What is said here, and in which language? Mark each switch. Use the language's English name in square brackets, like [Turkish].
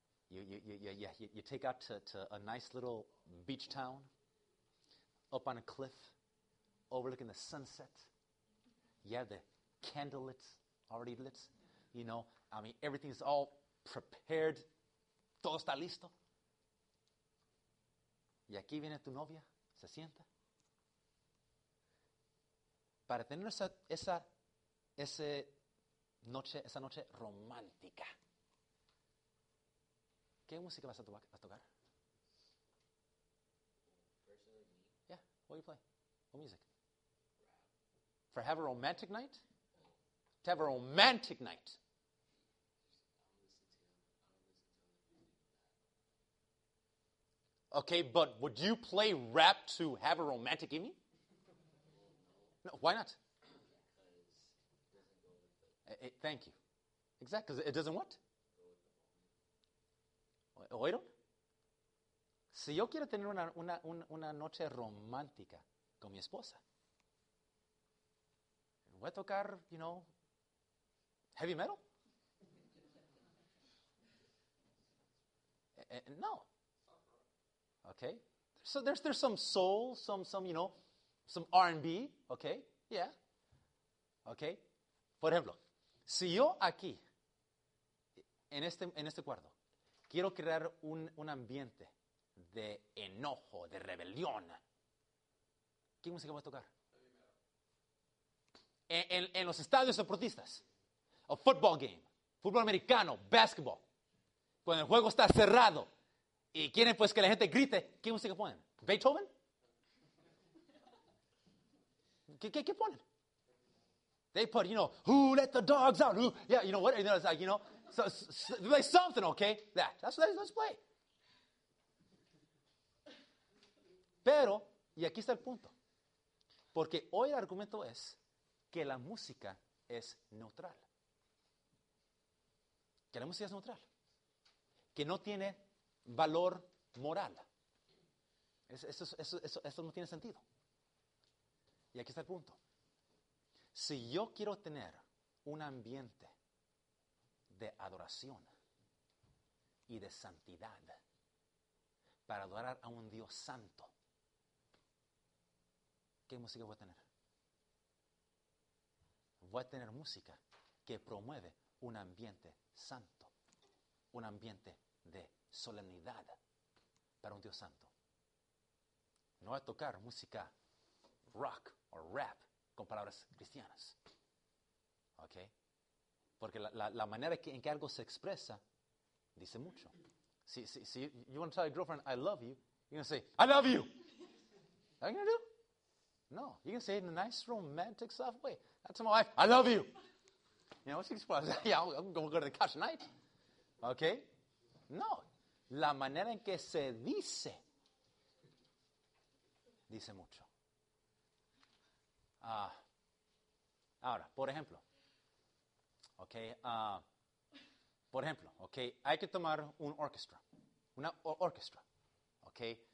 [English] You take out to a nice little beach town, up on a cliff, overlooking the sunset. Yeah, the candle lit. Already lit, you know, I mean, everything is all prepared. [Spanish] Todo está listo. Y aquí viene tu novia, se sienta. Para tener esa noche romántica, ¿qué música vas a tocar? [English] Personally, yeah, what do you play? What music? For have a romantic night? to have a romantic night. Okay, but would you play rap to have a romantic evening? No, why not? Thank you. Exactly, because it doesn't what? [Spanish] ¿Oíron? Si yo quiero tener una noche romántica con mi esposa, voy a tocar, [English] you know, heavy metal? No. Okay. So there's some soul, some you know, some R&B, okay? Yeah. Okay. [Spanish] Por ejemplo, si yo aquí, en este cuarto, quiero crear un ambiente de enojo, de rebelión, ¿qué música voy a tocar? En los estadios deportistas, [English] a football game, [Spanish] fútbol americano, basketball, cuando el juego está cerrado y quieren pues que la gente grite, ¿qué música ponen? ¿Beethoven? ¿Qué ponen? [English] They put, you know, who let the dogs out? Who, yeah, you know what? You know, it's like, you know, so play something, okay? Let's play. [Spanish] Pero, y aquí está el punto. Porque hoy el argumento es que la música es neutral. Que la música es neutral. Que no tiene valor moral. Eso no tiene sentido. Y aquí está el punto. Si yo quiero tener un ambiente de adoración y de santidad para adorar a un Dios santo, ¿qué música voy a tener? Voy a tener música que promueve un ambiente santo, un ambiente de solemnidad para un Dios santo. No voy a tocar música rock o rap con palabras cristianas. ¿Ok? Porque la manera en que algo se expresa dice mucho. [English] Si you want to tell your girlfriend, I love you, you're going to say, I love you. What are you going to do? No, you can say it in a nice, romantic, soft way. That's my wife. I love you. You know, she's probably saying, yeah, I'm going to go to the couch tonight. Okay? No. [Spanish] La manera en que se dice, dice mucho. Ahora, por ejemplo. Okay? Por ejemplo, okay? Hay que tomar un orchestra. Una orchestra. Okay?